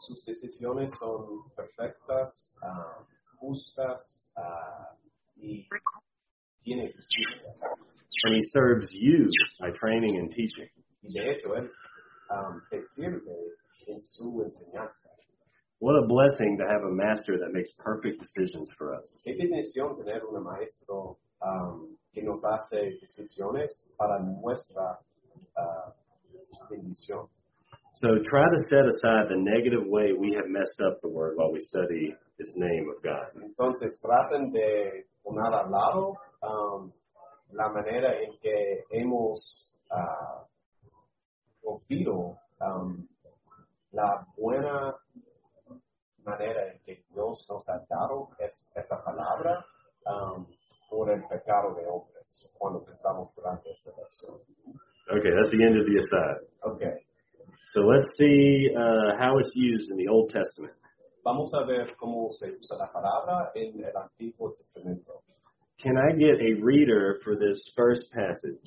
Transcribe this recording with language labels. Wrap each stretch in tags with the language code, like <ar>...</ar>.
<es>Sus decisiones son perfectas, justas, y tiene justicia.</es> <en>And he serves you by training and teaching.</en> <es>Y de hecho, él, te sirve en su enseñanza.</es> <en>What a blessing to have a master that makes perfect decisions for us.</en> <es>Qué bendición tener un maestro que nos hace decisiones para nuestra bendición.</es> <en>So try to set aside the negative way we have messed up the word while we study His name of God.</en> <es>Entonces traten de poner al lado la manera en que hemos copiado la buena manera en que Dios nos ha dado esta palabra por el pecado de hombres cuando pensamos durante esta lección.</es> <en>Okay, that's the end of the aside. Okay. So let's see how it's used in the Old Testament.</en> <es>Vamos a ver cómo se usa la palabra en el Antiguo Testamento.</es> <en>Can I get a reader for this first passage?</en>